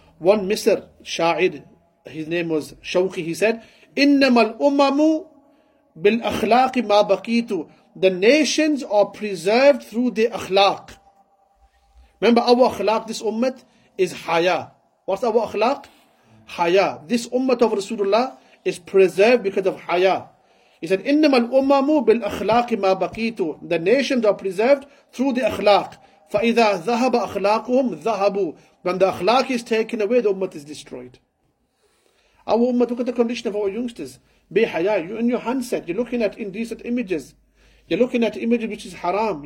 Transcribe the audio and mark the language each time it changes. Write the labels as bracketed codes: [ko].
[en] one Misr Sha'ir, his name was Shawqi, he said, [ar] إِنَّمَا الْأُمَمُ بِالْأَخْلَاقِ مَا بَقِيتُ. [en] The nations are preserved through the akhlaq. Remember, our akhlaq, this ummah, is haya. What's our akhlaq? Haya. This ummah of Rasulullah is preserved because of haya. He said, [ar] إِنَّمَا الْأُمَمُ بِالْأَخْلَاقِ مَا بَقِيتُ. [en] The nations are preserved through the akhlaq. [ar] فَإِذَا ذَهَبَ أَخْلَاقُهُمْ ذَهَبُوا. [en] When the akhlaq is taken away, the ummah is destroyed. Our ummah, look at the condition of our youngsters. Be haya, you in your handset, you're looking at indecent images. You're looking at images which is haram.